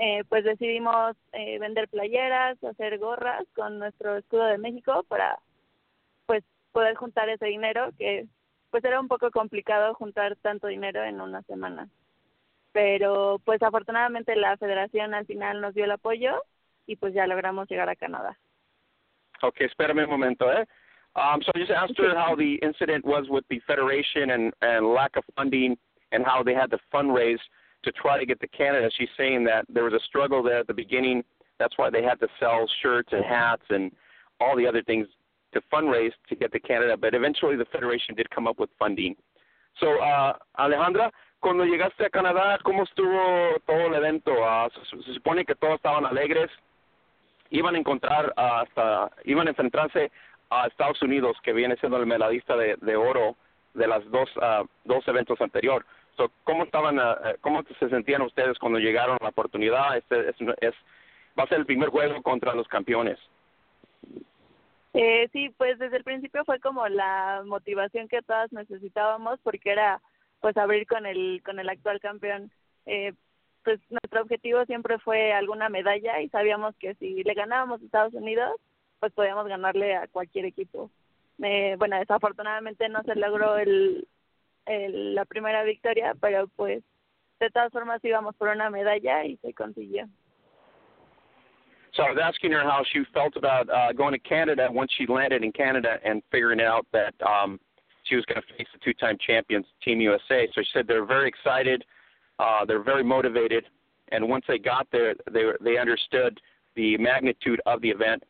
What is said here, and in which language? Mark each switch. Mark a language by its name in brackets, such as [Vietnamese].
[Spanish] Pues decidimos vender playeras, hacer gorras con nuestro escudo de México para, pues, poder juntar ese dinero, que, pues, era un poco complicado juntar tanto dinero en una semana. Pero, pues, afortunadamente la federación al final nos dio el apoyo y pues ya logramos llegar a Canadá. [English] Okay, [Spanish] espérame un momento, [English] So I just asked her how the incident was with the federation and lack of funding and how they had to fundraise to try to get to Canada. She's saying that there was a struggle there at the beginning. That's why they had to sell shirts and hats and all the other things to fundraise to get to Canada. But eventually the federation did come up with funding. [Spanish] So, Alejandra, cuando llegaste a Canadá, ¿cómo estuvo todo el evento? Se supone que todos estaban alegres. Iban a encontrar hasta, iban a enfrentarse a Estados Unidos, que viene siendo el medallista de oro de las dos dos eventos anterior. So, ¿cómo estaban, cómo se sentían ustedes cuando llegaron a la oportunidad? Va a ser el primer juego contra los campeones. Sí, pues desde el principio fue como la motivación que todas necesitábamos, porque era pues abrir con el actual campeón. Pues nuestro objetivo siempre fue alguna medalla y sabíamos que si le ganábamos a Estados Unidos, pues podíamos ganarle a cualquier equipo. Bueno, desafortunadamente no se logró la primera victoria, pero pues de todas formas íbamos por una medalla y se consiguió. [English] So I was asking her how she felt about going to Canada once she landed in Canada and figuring out that she was going to face the two-time champions, Team USA. So she said they're very excited, they're very motivated, and once they got there, they understood the magnitude of the event.